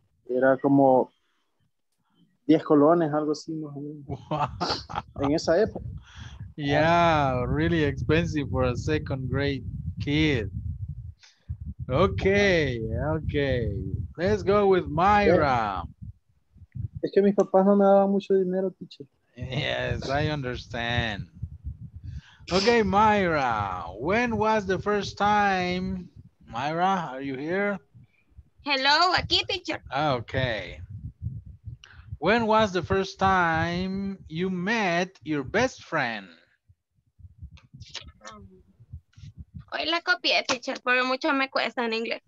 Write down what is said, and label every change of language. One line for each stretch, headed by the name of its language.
Spanish: Era como 10 colones, algo así, más o menos. En esa época.
English: Yeah, really expensive for a second grade kid. Okay. Let's go with Myra.
Spanish: Es que mis papás no me daban mucho dinero, teacher.
English: Yes, I understand. Okay, Myra, when was the first time? Myra, are you here? Hello,
Spanish: aquí,
English: teacher. Okay. When was the first time you met your best friend?
Spanish: Hoy la copié, teacher, pero mucho me cuesta en inglés.